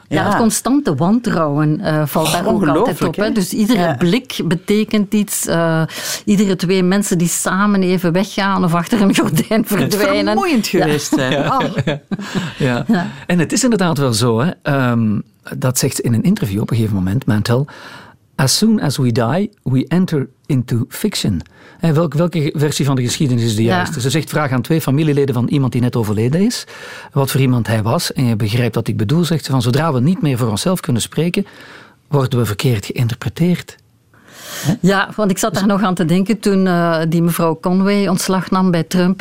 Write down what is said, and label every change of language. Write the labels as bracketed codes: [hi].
[nl] ja, het constante wantrouwen valt daar ook altijd op. Hè? Dus iedere blik betekent iets. Iedere twee mensen die samen even weggaan of achter een gordijn verdwijnen. Het is vermoeiend geweest. Ja. Ja. En het is inderdaad wel zo, hè. Dat zegt in een interview op een gegeven moment, Mantel. [en] As soon as we die, we enter into fiction. [nl] En welke versie van de geschiedenis is de juiste? Ze zegt, vraag aan twee familieleden van iemand die net overleden is, wat voor iemand hij was, en je begrijpt wat ik bedoel, zegt ze, van zodra we niet meer voor onszelf kunnen spreken, worden we verkeerd geïnterpreteerd. He? Ja, want ik zat daar nog aan te denken toen die mevrouw Conway ontslag nam bij Trump.